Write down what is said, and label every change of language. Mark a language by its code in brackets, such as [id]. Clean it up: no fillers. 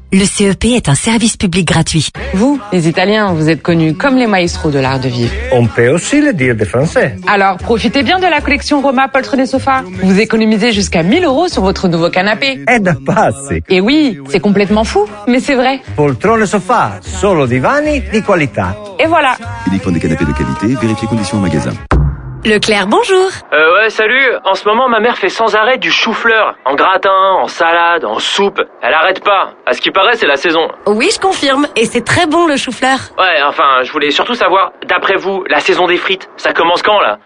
[fr] Le CEP est un service public gratuit. Vous, les Italiens, vous êtes connus comme les maestros de l'art de vivre. On peut aussi le dire des Français. Alors, profitez bien de la collection Roma Poltrone Sofa. Vous économisez jusqu'à 1000 euros sur votre nouveau canapé. Ed passe. Et oui, c'est complètement fou, mais c'est vrai. [it] Poltrone Sofa, solo divani di qualità. [fr] Et voilà. Uniquement des canapés de qualité, vérifiez conditions en magasin. Leclerc, bonjour. Ouais, salut. En ce moment, ma mère fait sans arrêt du chou-fleur. En gratin, en salade, en soupe. Elle arrête pas. À ce qui paraît, c'est la saison. Oui, je confirme. Et c'est très bon, le chou-fleur. Ouais, enfin, je voulais surtout savoir, d'après vous, la saison des frites, ça commence quand, là?